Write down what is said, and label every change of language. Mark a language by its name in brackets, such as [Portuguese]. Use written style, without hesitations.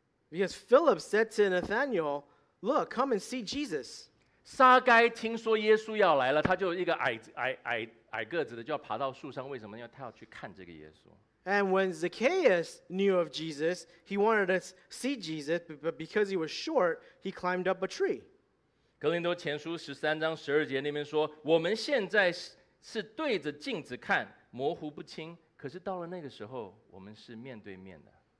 [English] Because Philip said to Nathanael, look, come and see Jesus. [Chinese] 撒该听说耶稣要来了，他就一个 矮个子的就要爬到树上，为什么？因为他要去看这个耶稣。 [English] And when Zacchaeus knew of Jesus, he wanted to see Jesus, but because he was short, he climbed up a tree. [Chinese] 哥林多前书十三章十二节那边说，我们现在是对着镜子看，模糊不清，可是到了那个时候，我们是面对面的。